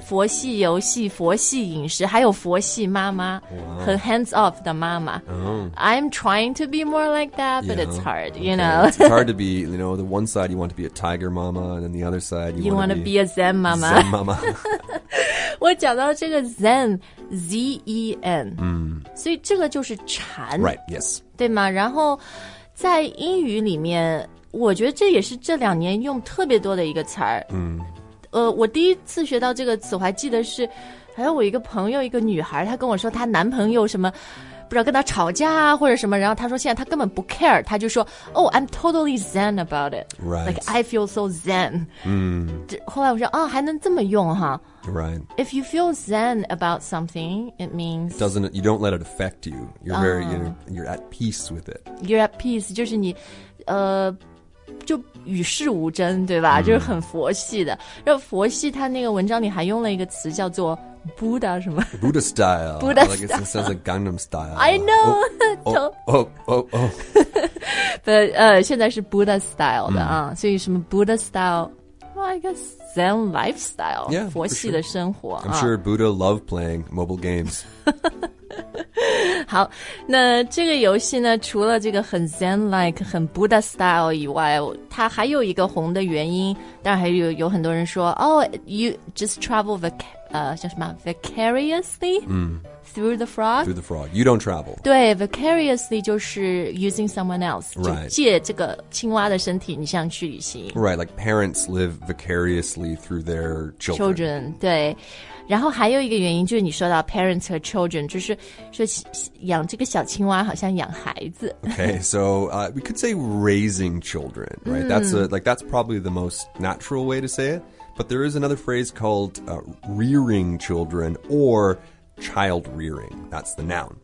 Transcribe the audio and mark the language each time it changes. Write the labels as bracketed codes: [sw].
[zh] 佛系游戏、佛系饮食，还有佛系妈妈， [en] wow. [zh] 很 [en] hands off [zh] 的。妈。 Oh. [en] I'm trying to be more like that, but yeah, it's hard, you okay. know. It's hard to be, you know, the one side you want to be a tiger mama, and then the other side you want to be a zen mama. Zen mama. [zh] 我讲到这个 zen, Z-E-N.、 Mm. 所以这个就是禅。 [en] Right, yes. [zh] 对吗？然后在英语里面，我觉得这也是这两年用特别多的一个词儿。嗯、mm.。我第一次学到这个词我还记得是还有我一个朋友一个女孩她跟我说她男朋友什么不知道跟她吵架啊或者什么然后她说现在她根本不 care 她就说 [en] Oh, I'm totally zen about it、 right. Like, I feel so zen、 mm. [zh] 后来我说、哦、还能这么用哈 [en] Right If you feel zen about something It means Doesn't, You don't let it affect you You're very、you're at peace with it You're at peace [zh] 就是你就与世无争对吧、mm-hmm. 就是很佛系的然后佛系他那个文章里还用了一个词叫做 Buddha 什么 [en] Buddha style Buddha style、like、it sounds like Gangnam style I know But [zh] 现在是 [en] Buddha style 的、mm-hmm. [zh] 所以什么 [en] Buddha style Well I guess Zen lifestyle yeah, [zh] 佛系的生活 [en] sure. I'm sure Buddha loved playing mobile games [zh] 好那这个游戏呢除了这个很 zen-like 很 Buddha style 以外它还有一个红的原因当然还 有很多人说 [en] Oh, you just travel vicariously、 mm. Through the frog You don't travel [zh] 对 vicariously 就是 [en] using someone else、 right. [zh] 就借这个青蛙的身体你像去旅行 [en] Right, like parents live vicariously through their children, [zh] children 对然后还有一个原因就是你说到 parents 和 children 就是说养这个小青蛙好像养孩子 [en] Okay, so、we could say raising children, right?、 Mm. That's probably the most natural way to say it But there is another phrase called、rearing children or child rearing That's the noun